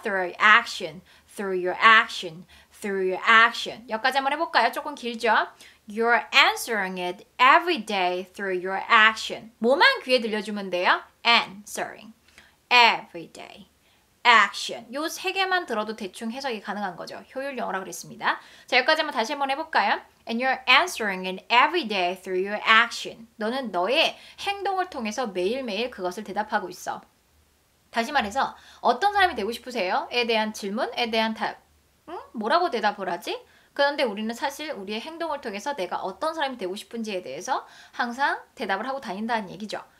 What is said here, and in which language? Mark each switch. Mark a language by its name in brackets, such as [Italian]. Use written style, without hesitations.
[English] through your action through your action through your action [Korean] 여기까지 한번 해볼까요? 조금 길죠? [English] you're answering it every day through your action [Korean] 뭐만 귀에 들려주면 돼요? answering every day action 요 세 개만 들어도 대충 해석이 가능한 거죠. 효율 영어라 그랬습니다. 자, 여기까지 한번 다시 한번 해 볼까요? [English] And you're answering it every day through your action. [Korean] 너는 너의 행동을 통해서 매일매일 그것을 대답하고 있어. 다시 말해서 어떤 사람이 되고 싶으세요?에 대한 질문에 대한 답. 응? 뭐라고 대답을 하지? 그런데 우리는 사실 우리의 행동을 통해서 내가 어떤 사람이 되고 싶은지에 대해서 항상 대답을 하고 다닌다는 얘기죠.